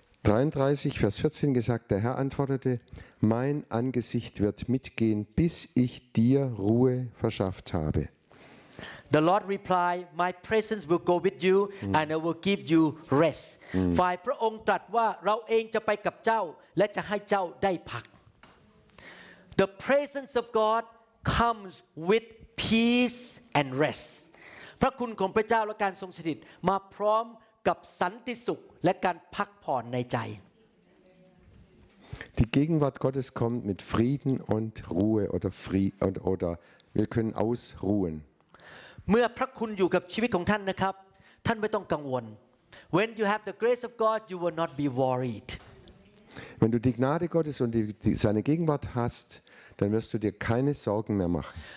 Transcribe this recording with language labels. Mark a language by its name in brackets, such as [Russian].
[German] 33 Vers 14 gesagt, der Herr antwortete, mein Angesicht wird mitgehen, bis ich dir Ruhe verschafft habe. [English] The Lord replied, my presence will go with you and I will give you rest. [Thai] ฝ่ายพระองค์ตรัสว่าเราเองจะไปกับเจ้าและจะให้เจ้าได้พัก [English] The presence of God comes with peace and rest. [Thai] พระคุณของพระเจ้าและการทรงสถิตมาพร้อมกับสันติสุขและการพักผ่อนในใจ [German] Die Gegenwart Gottes kommt mit Frieden und Ruhe oder wir können ausruhen. [Thai] เมื่อพระคุณอยู่กับชีวิตของท่านนะครับท่านไม่ต้องกังวล [English] When you have the grace of God you will not be worried. [German] Wenn du die Gnade Gottes und seine Gegenwart hast, dann wirst du dir keine Sorgen mehr machen.